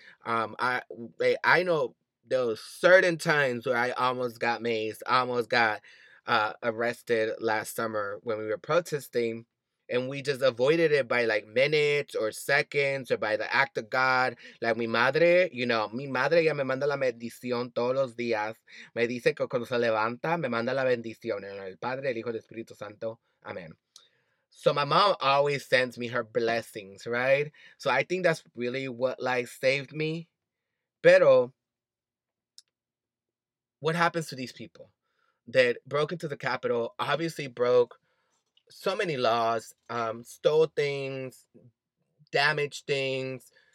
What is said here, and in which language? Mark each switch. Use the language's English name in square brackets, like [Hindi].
[English] I know there were certain times where I almost got maced, almost got arrested last summer when we were protesting. And we just avoided it by like minutes or seconds or by the act of God. [Spanish] Like mi madre, [English] you know, [Spanish] mi madre ya me manda la bendición todos los días. Me dice que cuando se levanta, me manda la bendición. En el Padre, el Hijo, el Espíritu Santo. [English] Amen. So my mom always sends me her blessings, right? So I think that's really what like saved me. Pero, what happens to these people that broke into the Capitol, obviously broke so many laws, stole things, damaged things.